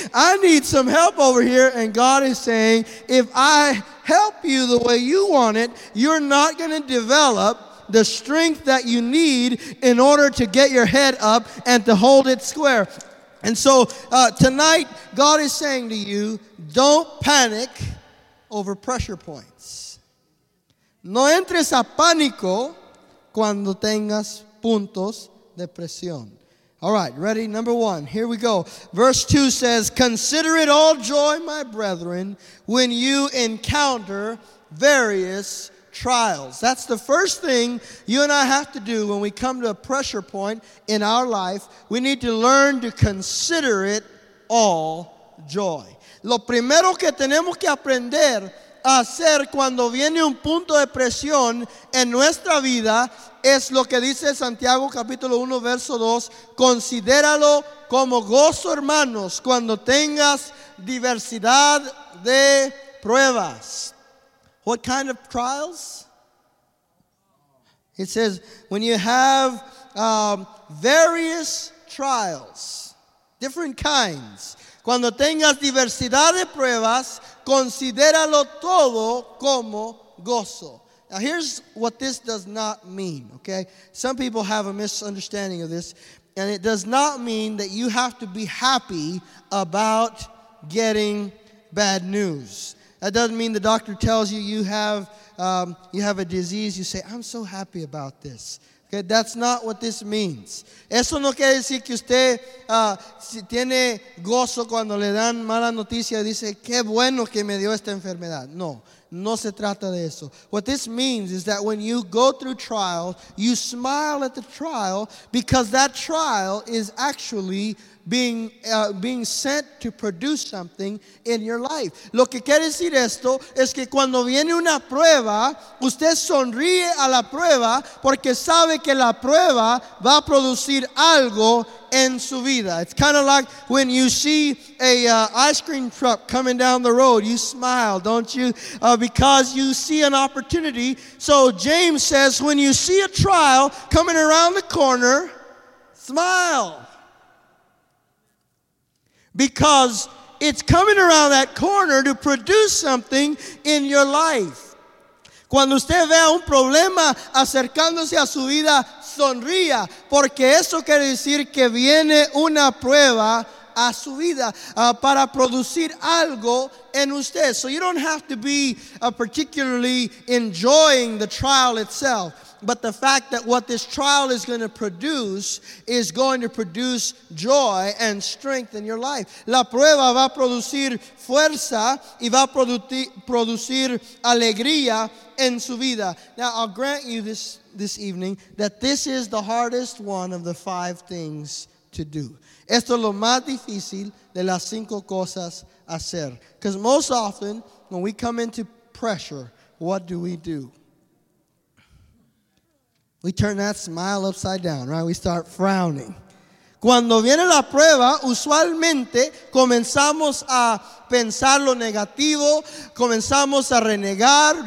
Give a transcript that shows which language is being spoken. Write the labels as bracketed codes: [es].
[en] I need some help over here. And God is saying, if I help you the way you want it, you're not going to develop the strength that you need in order to get your head up and to hold it square. And so tonight, God is saying to you, don't panic over pressure points. [es] No entres a pánico cuando tengas puntos de presión. [en] All right, ready? Number one, here we go. Verse 2 says, consider it all joy, my brethren, when you encounter various trials. That's the first thing you and I have to do when we come to a pressure point in our life. We need to learn to consider it all joy. [es] Lo primero que tenemos que aprender a hacer cuando viene un punto de presión en nuestra vida es lo que dice Santiago capítulo 1 verso 2. Considéralo como gozo, hermanos, cuando tengas diversidad de pruebas. [en] What kind of trials? It says, when you have various trials, different kinds. [es] Cuando tengas diversidad de pruebas, considéralo todo como gozo. [en] Now, here's what this does not mean, okay? Some people have a misunderstanding of this, and it does not mean that you have to be happy about getting bad news. That doesn't mean the doctor tells you you have a disease. You say, I'm so happy about this. Okay, that's not what this means. [es] Eso no quiere decir que usted tiene gozo cuando le dan mala noticia y dice, qué bueno que me dio esta enfermedad. No, no se trata de eso. [en] What this means is that when you go through trials, you smile at the trial because that trial is actually being sent to produce something in your life. [es] Lo que quiere decir esto es que cuando viene una prueba, usted sonríe a la prueba porque sabe que la prueba va a producir algo en su vida. [en] It's kind of like when you see a ice cream truck coming down the road, you smile, don't you? Because you see an opportunity. So James says, when you see a trial coming around the corner, smile. Because it's coming around that corner to produce something in your life. [es] Cuando usted vea un problema acercándose a su vida, sonría. Porque eso quiere decir que viene una prueba a su vida para producir algo en usted. [en] So you don't have to be particularly enjoying the trial itself. But the fact that what this trial is going to produce is going to produce joy and strength in your life. [es] La prueba va a producir fuerza y va a producir alegría en su vida. [en] Now, I'll grant you this evening that this is the hardest one of the five things to do. [es] Esto es lo más difícil de las cinco cosas hacer. [en] Because most often, when we come into pressure, what do? We turn that smile upside down, right? We start frowning. [es] Cuando viene la prueba, usualmente comenzamos a pensar lo negativo, comenzamos a renegar.